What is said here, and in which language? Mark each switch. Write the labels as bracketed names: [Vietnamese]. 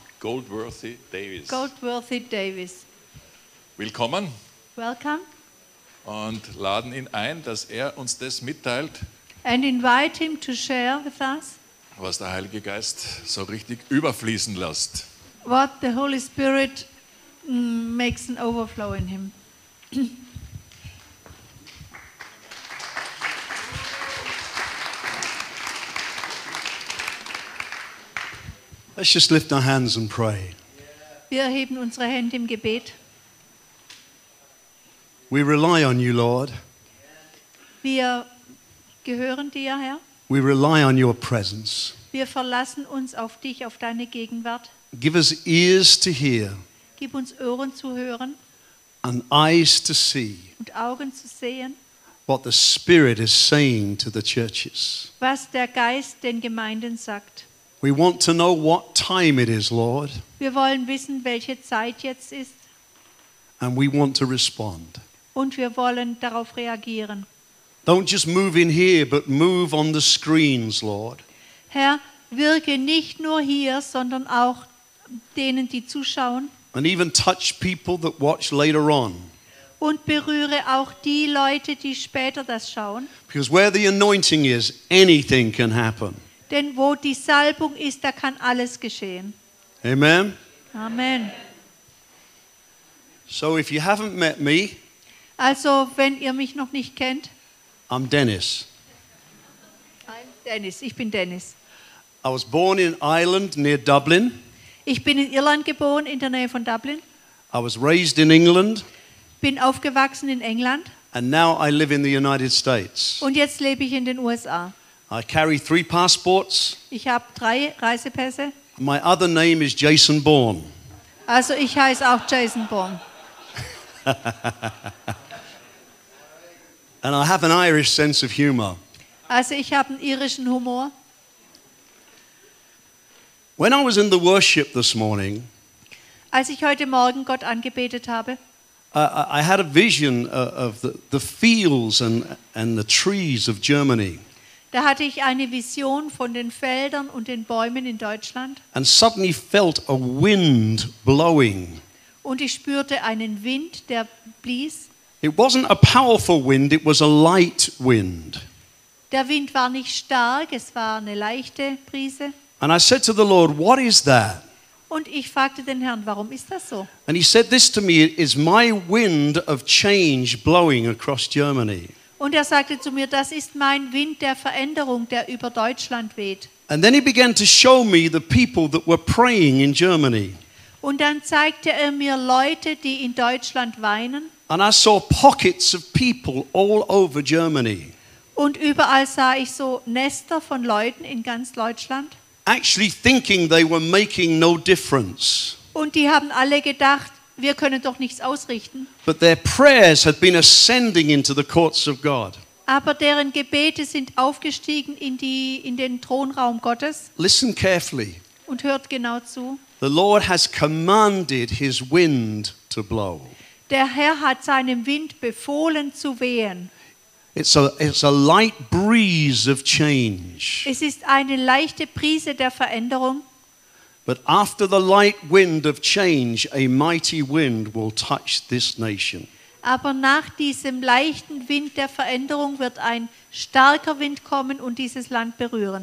[English] Goldsworthy-Davis. Goldsworthy-Davis. [German] Willkommen. [English] Welcome. [German] Und laden ihn ein, dass er uns das mitteilt. [English] And invite him to share with us. [German] Was der Heilige Geist so richtig überfließen lässt. [English] What the Holy Spirit makes an overflow in him. Let's just lift our hands and pray. [German] Wir erheben unsere Hände im Gebet. [English] We rely on you, Lord. [German] Wir gehören dir, Herr. [English] We rely on your presence. [German] Wir verlassen uns auf dich, auf deine Gegenwart. [English] Give us ears to hear. [German] Gib uns Ohren zu hören. [English] And eyes to see. [German] Und Augen zu sehen. [English] What the Spirit is saying to the churches. [German] Was der Geist den Gemeinden sagt. [English] We want to know what time it is, Lord. [German] Wir wollen wissen, welche Zeit jetzt ist. [English] And we want to respond. [German] Und wir wollen darauf reagieren. [English] Don't just move in here, but move on the screens, Lord. [German] Herr, wirke nicht nur hier, sondern auch denen, die zuschauen. [English] And even touch people that watch later on. [German] Und berühre auch die Leute, die später das schauen. [English] Because where the anointing is, anything can happen. [German] Denn wo die Salbung ist, da kann alles geschehen. [English] Amen. [German] Amen. [English] So if you haven't met me, [German] also wenn ihr mich noch nicht kennt, [English] I'm Dennis. I'm Dennis. [German] Ich bin Dennis. [English] I was born in Ireland near Dublin. [German] Ich bin in Irland geboren, in der Nähe von Dublin. [English] I was raised in England. [German] Bin aufgewachsen in England. [English] And now I live in the United States. [German] Und jetzt lebe ich in den USA. [English] I carry three passports. [German] Ich habe drei Reisepässe. [English] My other name is Jason Bourne. [German] Also ich heiße auch Jason Bourne. [English] And I have an Irish sense of humor. [German] Also ich habe einen irischen Humor. [English] When I was in the worship this morning, [German] als ich heute Morgen Gott angebetet habe, [English] I had a vision of the fields and the trees of Germany. [German] Da hatte ich eine Vision von den Feldern und den Bäumen in Deutschland. [English] And suddenly felt a wind blowing. [German] Und ich spürte einen Wind, der blies. [English] It wasn't a powerful wind, it was a light wind. [German] Der Wind war nicht stark, es war eine leichte Brise. [English] And I said to the Lord, what is that? [German] Und ich fragte den Herrn, warum ist das so? [English] And he said this to me, it is my wind of change blowing across Germany. [German] Und er sagte zu mir, das ist mein Wind der Veränderung, der über Deutschland weht. [English] And then he began to show me the people that were praying in Germany. [German] Und dann zeigte er mir Leute, die in Deutschland weinen. [English] And I saw pockets of people all over Germany. [German] Und überall sah ich so Nester von Leuten in ganz Deutschland. [English] Actually thinking they were making no difference. [German] Und die haben alle gedacht, wir können doch nichts ausrichten. [English] But their prayers had been ascending into the courts of God. [German] Aber deren Gebete sind aufgestiegen in den Thronraum Gottes. [English] Listen carefully. [German] Und hört genau zu. [English] The Lord has commanded his wind to blow. [German] Der Herr hat seinem Wind befohlen zu wehen. [English] It's a light breeze of change. [German] Es ist eine leichte Brise der Veränderung. [English] But after the light wind of change, a mighty wind will touch this nation. [German] Aber nach diesem leichten Wind der Veränderung wird ein starker Wind kommen und dieses Land berühren.